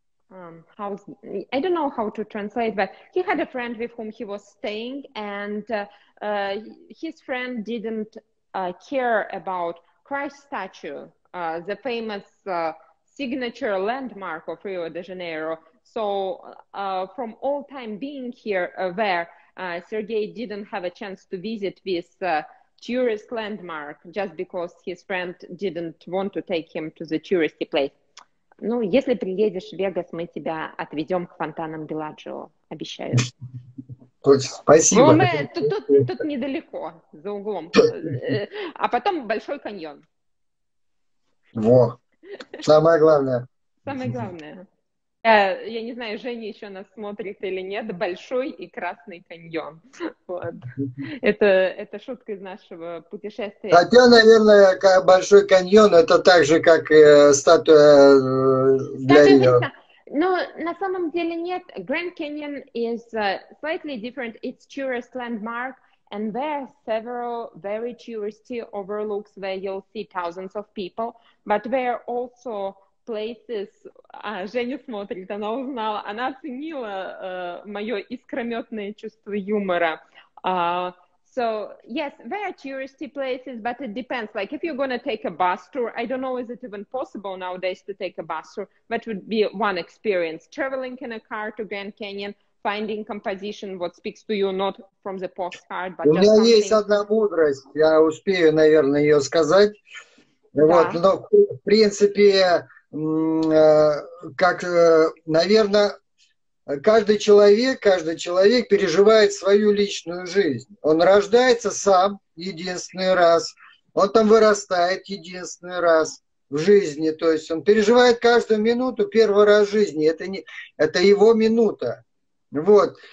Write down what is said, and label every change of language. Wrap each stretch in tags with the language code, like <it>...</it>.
<en>I don't know how to translate, but he had a friend with whom he was staying, and his friend didn't care about Christ statue, the famous signature landmark of Rio de Janeiro. So from all time being here, Sergei didn't have a chance to visit this tourist landmark just because his friend didn't want to take him to the touristy place.</en> <ru>Ну, если приедешь в Вегас, мы тебя отведем к фонтанам Белладжио, обещаю. Спасибо. Ну, тут недалеко, за углом. А потом большой каньон. Во, самое главное. Самое главное. Я не знаю, Женя еще нас смотрит или нет, большой и красный каньон. Вот. Это шутка из нашего путешествия. Хотя, наверное, большой каньон, это так же, как и статуя для нее. Но на самом деле нет.</ru> <en>Grand Canyon is slightly different. It's tourist landmark, and there are several very touristy overlooks where you'll see thousands of people, but there are also places.</en> <ru>А, Женя смотрит, она узнала, она оценила мое искрометное чувство юмора.</ru> <en>So, yes, there are touristy places, but it depends. Like, if you're going to take a bus tour, I don't know, is it even possible nowadays to take a bus tour? That would be one experience. Traveling in a car to Grand Canyon, finding composition, what speaks to you, not from the postcard, but just something.</en> <ru>У меня есть одна мудрость, я успею, наверное, ее сказать. Вот, но, в принципе, как, наверное, каждый человек переживает свою личную жизнь. Он рождается сам единственный раз, он там вырастает единственный раз в жизни, то есть он переживает каждую минуту первый раз в жизни, это его минута. Вот.</ru>